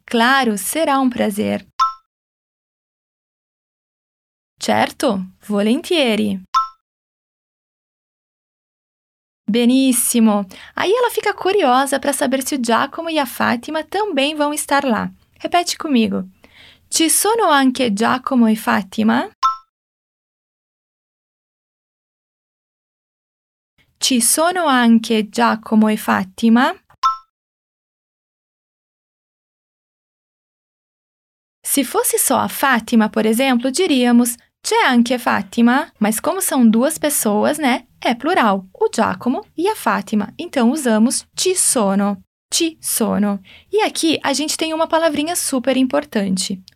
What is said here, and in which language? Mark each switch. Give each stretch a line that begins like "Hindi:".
Portuguese: Claro, será um prazer.
Italian: Certo, volentieri.
Portuguese: Benissimo! Aí ela fica curiosa para saber se o Giacomo e a Fátima também vão estar lá. Repete comigo.
Italian: Ci sono anche Giacomo e Fátima? Ci sono anche Giacomo e Fátima?
Portuguese: Se fosse só a Fátima, por exemplo, diríamos
Italian: c'è anche Fátima,
Portuguese: mas como são duas pessoas, né? É plural, o Giacomo e a Fátima. Então, usamos ci sono. Ci sono. E aqui, a gente tem uma palavrinha super importante.